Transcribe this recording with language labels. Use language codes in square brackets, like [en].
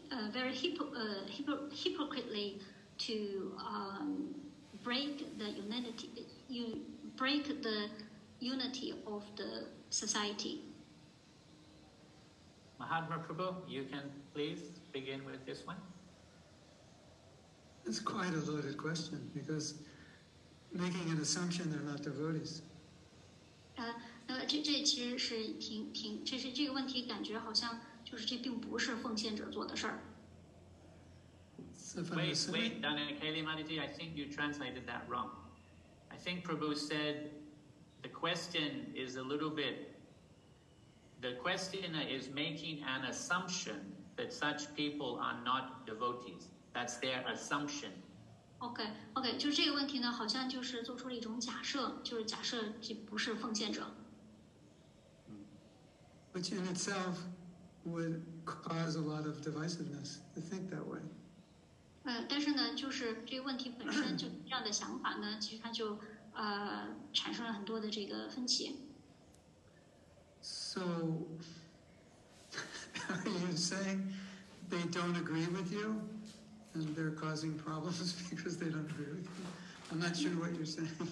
[en] very hypocritically to break the unity, break the unity of the society. Mahaprabhu, you can please begin with this one. It's quite a loaded question, because making an assumption they're not devotees. [zh] 这其实是挺，这是这个问题，感觉好像就是这并不是奉献者做的事儿。 [en] Wait, Dhananakali Mataji, I think you translated that wrong. I think Prabhu said the question is a little bit. The questioner is making an assumption that such people are not devotees. That's their assumption. Okay, okay, [zh] 就是这个问题呢，好像就是做出了一种假设，就是假设这不是奉献者。 [en] Which in itself would cause a lot of divisiveness to think that way. [zh] 但是呢，就是这个问题本身就这样的想法呢，其实它就产生了很多的这个分歧。 [en] So, are you saying they don't agree with you, and they're causing problems because they don't agree with you? I'm not sure what you're saying.